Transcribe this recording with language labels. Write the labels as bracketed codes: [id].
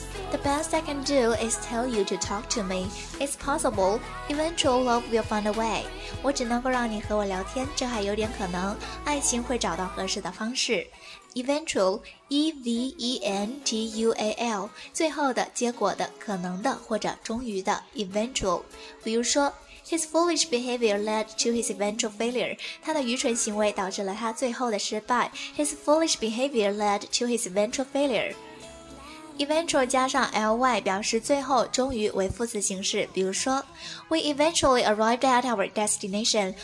[en] The best I can do is tell you to talk to me. It's possible. Eventual love will find a way. [zh] 我只能够让你和我聊天，这还有点可能。爱情会找到合适的方式。 Eventual, E-V-E-N-T-U-A-L, 最后的、结果的、可能的或者终于的。 [en] Eventual. [zh] 比如说 [en] ,His foolish behavior led to his eventual failure. [zh] 他的愚蠢行为导致了他最后的失败。 [en] His foolish behavior led to his eventual failure. [zh] Eventual 加上 ly 表示最后、终于为副词形式。比如说 [en] ，We eventually arrived at our destination.